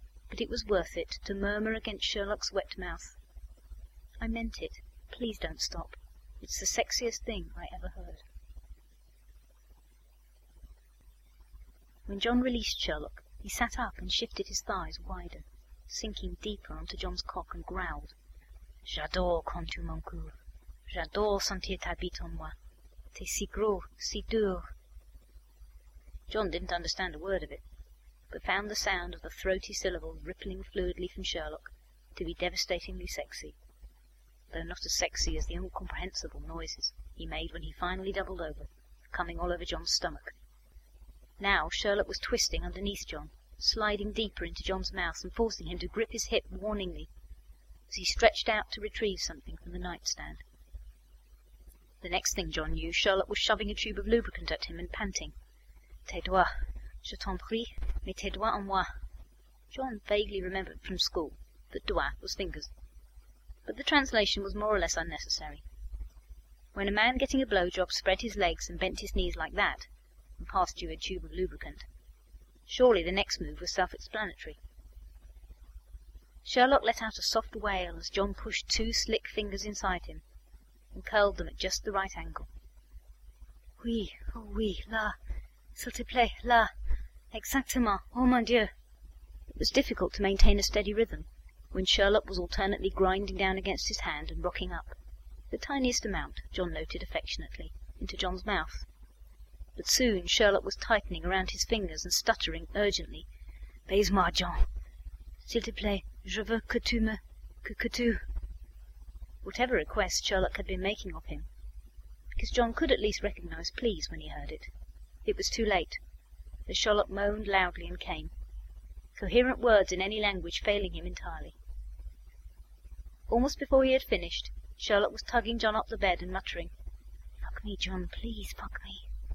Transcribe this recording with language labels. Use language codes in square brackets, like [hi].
[en] But it was worth it to murmur against Sherlock's wet mouth. I meant it. Please don't stop. It's the sexiest thing I ever heard. When John released Sherlock, he sat up and shifted his thighs wider, sinking deeper onto John's cock, and growled, [fr] J'adore quand tu m'en cours. J'adore sentir ta bite en moi. T'es si gros, si dur. [en] John didn't understand a word of it, but found the sound of the throaty syllables rippling fluidly from Sherlock to be devastatingly sexy, though not as sexy as the incomprehensible noises he made when he finally doubled over, coming all over John's stomach. Now Sherlock was twisting underneath John, sliding deeper into John's mouth and forcing him to grip his hip warningly as he stretched out to retrieve something from the nightstand. The next thing John knew, Sherlock was shoving a tube of lubricant at him and panting. [fr] Tais-toi, je t'en prie, mais tais-toi en moi. [en] John vaguely remembered from school that doigt was fingers. But the translation was more or less unnecessary. When a man getting a blowjob spread his legs and bent his knees like that, and passed you a tube of lubricant, surely the next move was self-explanatory. Sherlock let out a soft wail as John pushed two slick fingers inside him and curled them at just the right angle. [fr] Oui, oh oui, là, s'il te plaît, là, exactement, oh mon Dieu. [en] It was difficult to maintain a steady rhythm when Sherlock was alternately grinding down against his hand and rocking up, the tiniest amount, John noted affectionately, into John's mouth. But soon Sherlock was tightening around his fingers and stuttering urgently, [fr] Baise-moi, John. S'il te plaît, je veux que tu me... que tu... [en] Whatever request Sherlock had been making of him, because John could at least recognize please when he heard it, it was too late, as Sherlock moaned loudly and came, coherent words in any language failing him entirely. Almost before he had finished, Sherlock was tugging John up the bed and muttering, Fuck me, John, please fuck me.